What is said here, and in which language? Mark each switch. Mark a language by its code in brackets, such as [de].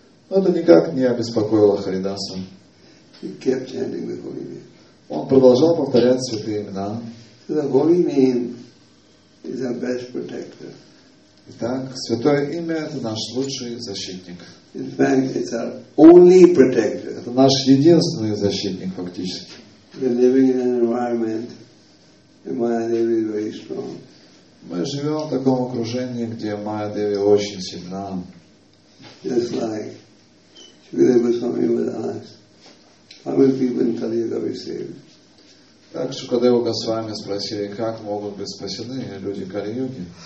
[ru] Но это никак не обеспокоило Харидаса. Он продолжал повторять святые имена. Итак, святое имя – это наш лучший защитник. [en] In fact, it's our only protector. [ru] Это наш единственный защитник, фактически. [en] We're living in an environment where Maya Devi is very strong. [ru] Мы живем в таком окружении, где Майя Деви очень сильна. [en] Just like Shukadeva Goswami would ask, how will people in Kali Yuga be saved? [ru] Так Шукадева Госвами спросили, как могут быть спасены люди Кали-Юги.